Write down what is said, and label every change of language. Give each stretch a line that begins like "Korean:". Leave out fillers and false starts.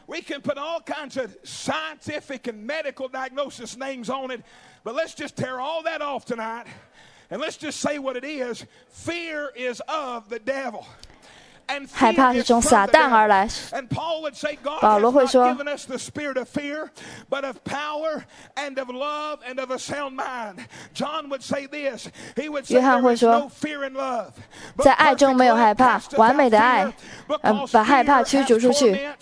English: We can put all kinds of scientific and medical diagnosis names on it, but let's just tear all that off tonight, and let's just say what it is. Fear is of the devil. And fear
Chinese: 害怕是从撒旦而来。
English: And Paul would say, God has not given us the spirit of fear, but of power and of love and of a sound mind. John would say this. He would say, there is no fear in love.
Chinese: 在爱中没有害怕，完美的爱，把害怕驱逐出去。